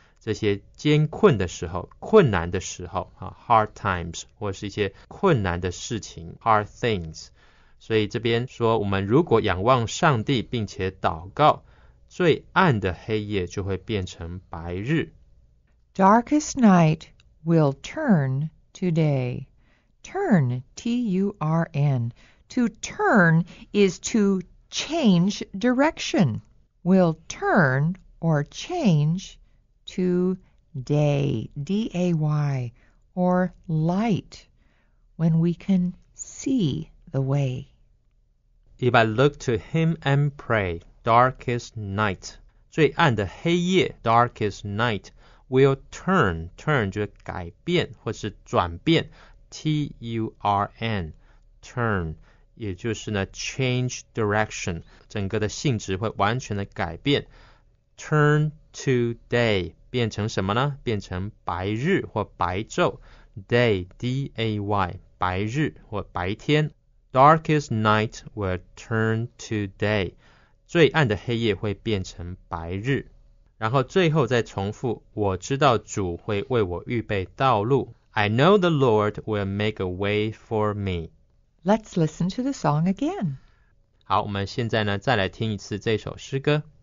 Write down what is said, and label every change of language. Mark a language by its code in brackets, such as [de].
[zh] 这些艰困的时候，困难的时候、啊、 [en] hard times [zh] 或是一些困难的事情 [en] hard things， [zh] 所以这边说我们如果仰望上帝并且祷告，最暗的黑夜就会变成白日。 [en] Darkest night will turn to day. Turn, T-U-R-N. To turn is to change direction. Will turn or changeTo day, D-A-Y, or light, when we can see the way. If I look to him and pray, darkest night, [zh] 最暗的黑夜 [en] darkest night, will turn, turn [zh] 就是改变或是转变 [en] T-U-R-N, turn, [zh] 也就是呢 [en] change direction, [zh] 整个的性质会完全的改变 [en] turn to day, [zh] 变成什么呢？变成白日或白昼 ，day d a y， 白日或白天。 [en] Darkest night will turn to day， [zh] 最暗的黑夜会变成白日。然后最后再重复，我知道主会为我预备道路。 [en] I know the Lord will make a way for me. Let's listen to the song again. [zh] 好，我们现在呢再来听一次这首诗歌。